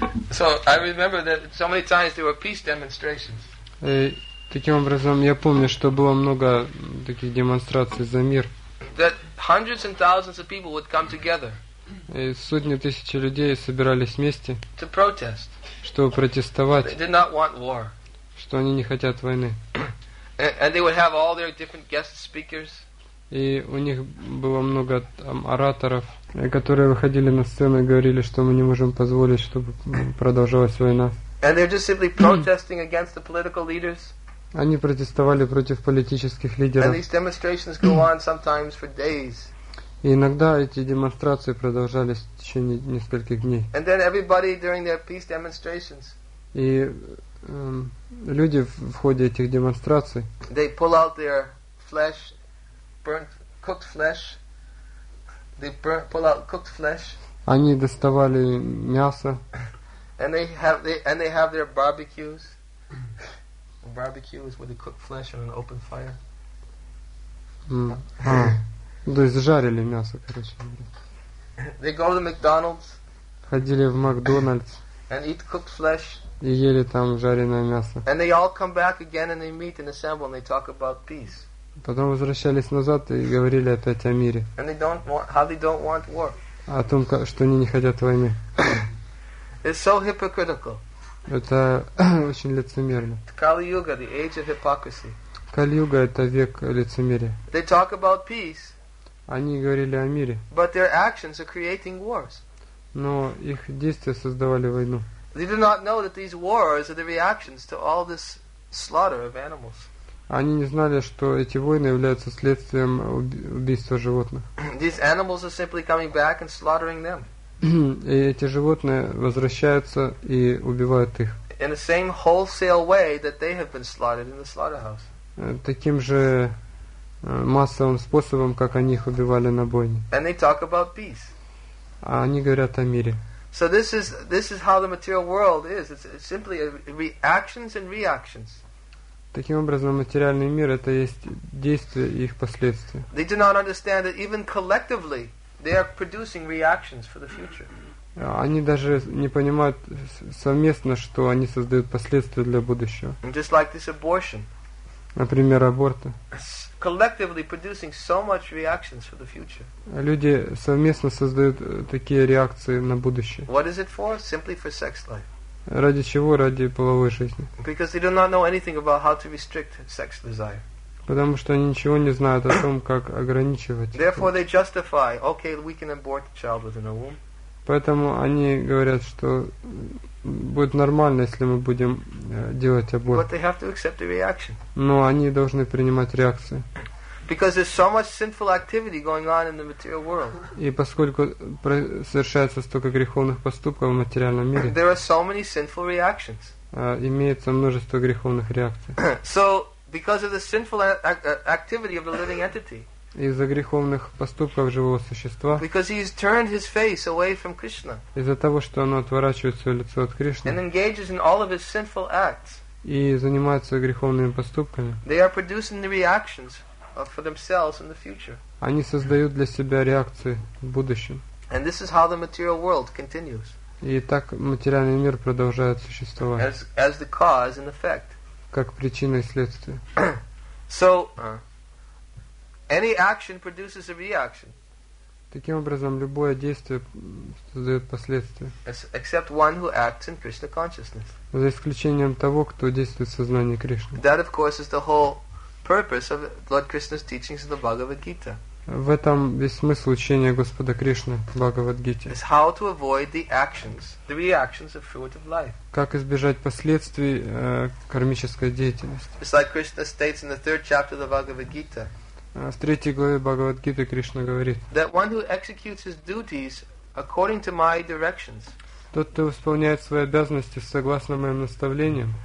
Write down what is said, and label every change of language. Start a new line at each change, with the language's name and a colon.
English: So I remember that so many times there were peace demonstrations.
Russian: Таким образом, я помню, что было много таких демонстраций за мир.
English: That hundreds and thousands of people would come together.
Russian: И сотни тысяч людей собирались вместе,
English: to protest.
Russian: Чтобы протестовать,
English: they did not want war.
Russian: Что они не хотят войны.
English: And they would have all their different guest speakers.
Russian: И у них было много там ораторов, которые выходили на сцену и говорили, что мы не можем позволить, чтобы продолжалась война.
English: And they're just simply protesting against the political leaders.
Russian: Они протестовали против политических лидеров.
English: And these demonstrations go on sometimes for days.
Russian: И иногда эти демонстрации продолжались в течение нескольких дней.
English: And then everybody during their peace demonstrations.
Russian: И люди в ходе этих демонстраций.
English: They pull out their flesh, burnt, cooked flesh. They pull out cooked flesh.
Russian: Они доставали мясо.
English: And they have their barbecues. Barbecues where they cook flesh on an open fire.
Russian: То есть жарили мясо, короче.
English: They go to McDonald's.
Russian: Ходили в Макдональдс.
English: And eat cooked flesh.
Russian: И ели там жареное мясо.
English: And they all come back again and they meet and assemble and they talk about peace.
Russian: Потом возвращались назад и говорили опять о мире.
English: And they don't want, how they don't want war.
Russian: О том, что они не хотят войны.
English: It's so hypocritical.
Russian: Это очень лицемерно.
English: Kali-yuga, the age of hypocrisy.
Russian: Кали-юга — это век лицемерия.
English: They talk about peace.
Russian: Они говорили о мире.
English: But their actions are creating wars.
Russian: Но их действия создавали войну.
English: They do not know that these wars are the reactions to all this slaughter of animals.
Russian: Они не знали, что эти войны являются следствием убийства животных.
English: These animals are simply coming back and slaughtering them.
Russian: И эти животные возвращаются и убивают их.
English: In the same wholesale way that they have been slaughtered in the slaughterhouse.
Russian: Таким же массовым способом, как они их убивали на бойне.
English: And they talk about peace.
Russian: А они говорят о мире.
English: So this is how the material world is. It's simply reactions and reactions.
Russian: Таким образом, материальный мир — это есть действия и их последствия.
English: They do not understand that even collectively they are producing reactions for the future.
Russian: Они даже не понимают совместно, что они создают последствия для будущего.
English: And just like this abortion.
Russian: Например, аборты.
English: collectively producing so much reactions for the future.
Russian: Люди совместно создают такие реакции на будущее.
English: What is it for? Simply for sex life.
Russian: Ради чего? Ради половой жизни.
English: Because they do not know anything about how to restrict sex desire.
Russian: Потому что они ничего не знают о том, как ограничивать.
English: Therefore they justify, okay, we can abort the child within a womb.
Russian: Поэтому они говорят, что будет нормально, если мы будем делать аборт.
English: But they have to accept the reaction.
Russian: Но они должны принимать реакции.
English: Because there's so much sinful activity going on in the material world.
Russian: И поскольку совершается столько греховных поступков в материальном мире.
English: There are so many sinful reactions.
Russian: Имеется множество греховных реакций.
English: So because of the sinful activity of the living entity.
Russian: Из-за греховных поступков живого существа.
English: Because he has turned his face away from Krishna.
Russian: Из-за того, что оно отворачивает свое лицо от Кришны.
English: And engages in all of his sinful acts.
Russian: И занимается греховными поступками.
English: They are producing the reactions for themselves in the future.
Russian: Они создают для себя реакции в будущем.
English: And this is how the material world continues.
Russian: И так материальный мир продолжает существовать.
English: As the cause and effect.
Russian: Как причина и следствие.
English: So. Any action produces a reaction.
Russian: Таким образом, любое действие создает последствия.
English: Except one who acts in Krishna consciousness.
Russian: За исключением того, кто действует в сознании Кришны.
English: That, of course, is the whole purpose of Lord Krishna's teachings in the Bhagavad Gita.
Russian: В этом весь смысл учения Господа Кришны в Бхагавад Гите.
English: Is how to avoid the actions, the reactions of fruit of life.
Russian: Как избежать последствий кармической деятельности.
English: It's like Krishna states in the third chapter of the Bhagavad Gita.
Russian: В третьей главе Бхагавад Гиты Кришна говорит.
English: That one who executes his duties according to my directions.
Russian: Тот, кто исполняет свои обязанности согласно моим наставлениям.